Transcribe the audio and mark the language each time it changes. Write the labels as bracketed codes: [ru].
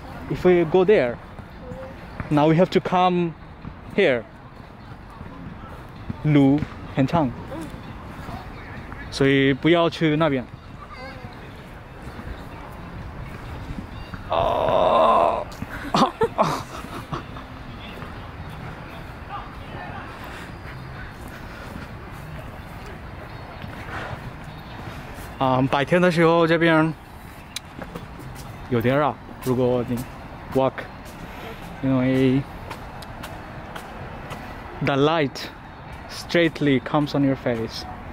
[en] If we go there, now we have to come here. [zh] Lu, 很长，所以不要去那边。哦，啊，白天的时候这边有点热，如果你。 [en] Walk, 因为 the light straightly comes on your face.